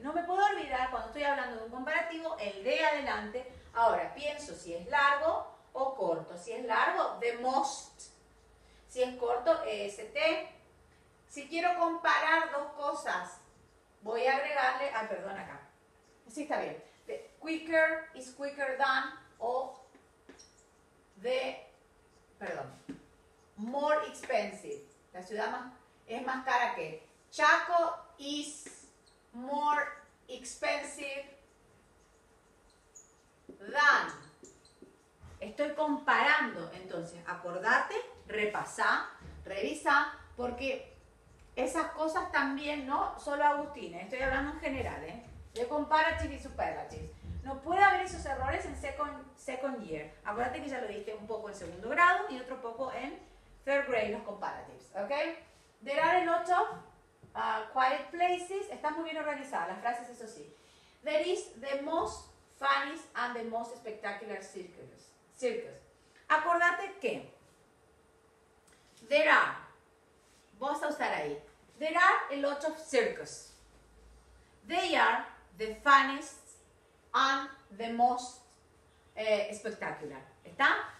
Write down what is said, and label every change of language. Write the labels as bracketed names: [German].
[Spanish] No me puedo olvidar cuando estoy hablando de un comparativo, el de adelante. Ahora, pienso si es largo o corto. Si es largo, the most. Si es corto, est. Si quiero comparar dos cosas, voy a agregarle, ah, perdón, acá. Sí, está bien. [English] The quicker is quicker than, o the, perdón, more expensive. [Spanish] La ciudad más, es más cara que. [English] Chaco is more expensive than. [Spanish] Estoy comparando, entonces, acordate, repasá, revisá, porque esas cosas también, no solo Agustín, estoy hablando en general, ¿eh? De comparatives y superlatives. No puede haber esos errores en second year. Acuérdate que ya lo dijiste un poco en segundo grado y otro poco en third grade, los comparatives, ¿ok? [English] There are a lot of quiet places. [Spanish] Está muy bien organizada las frases, eso sí. [English] There is the most funniest and the most spectacular circus. [Spanish] Acordate que there are, vas a usar ahí, [English] there are a lot of circus. They are the funniest and the most spectacular. [Spanish] ¿Está?